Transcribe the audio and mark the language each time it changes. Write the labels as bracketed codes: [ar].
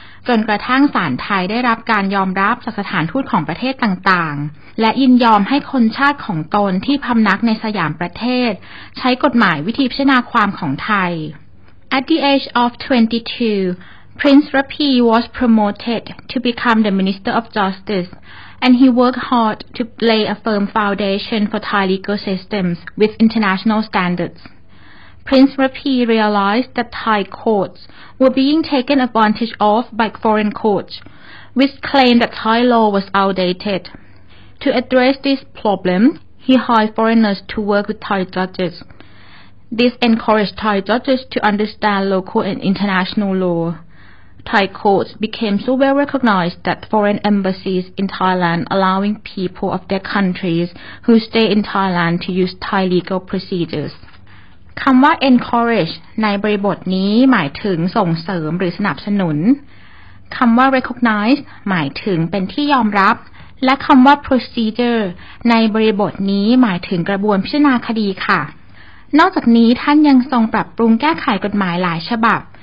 [th] จนกระทั่งศาลไทยได้รับการยอมรับจากสถานทูตของประเทศต่างๆและยินยอมให้คนชาติของตนที่พำนักในสยามประเทศใช้กฎหมายวิธีพิจารณาความของไทย [en] At the age of 22, Prince Rapi was promoted to become the Minister of Justice and he worked hard to lay a firm foundation for Thai legal systems with international standards. Prince Rapi realized that Thai courts were being taken advantage of by foreign courts, which claimed that Thai law was outdated. To address this problem, he hired foreigners to work with Thai judges. This encouraged Thai judges to understand local and international law. Thai courts became so well recognized that foreign embassies in Thailand allowing people of their countries who stay in Thailand to use Thai legal procedures. [th] คำว่า encourage ในบริบทนี้หมายถึงส่งเสริมหรือสนับสนุนคำว่า recognize หมายถึงเป็นที่ยอมรับและคำว่า procedure ในบริบทนี้หมายถึงกระบวนพิจารณาคดีค่ะนอกจากนี้ท่านยังทรงปรับปรุงแก้ไขกฎหมายหลายฉบับ